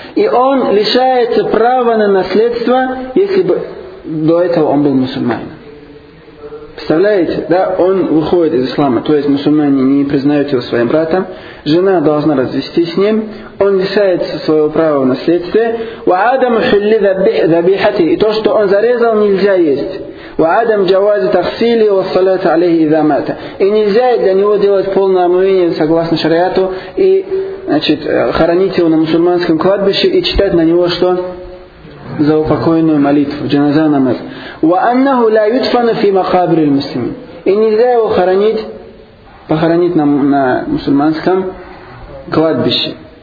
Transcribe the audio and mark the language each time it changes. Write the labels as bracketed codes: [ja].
[ru] И он лишается права на наследство, если бы до этого он был мусульманином. Представляете, да, он выходит из ислама, то есть мусульмане не признают его своим братом, жена должна развестись с ним, он лишается своего права в наследстве. [ar] وَعَدَمُ حُلِّ ذَبِيحَتِهِ. [ru] И то, что он зарезал, нельзя есть. [ar] وعدم جواز تغسيله والصلاة عليه إذا مات. [ru] И нельзя для него делать полное омовение согласно шариату и значит, хоронить его на мусульманском кладбище и читать на него что? За упокоенную молитву, джаназа намаз. [ar] وَأَنَّهُ لَا يُدْفَنُ فِي مَقَابِرِ الْمُسْلِمِينَ. [ru] И нельзя его похоронить на мусульманском кладбище.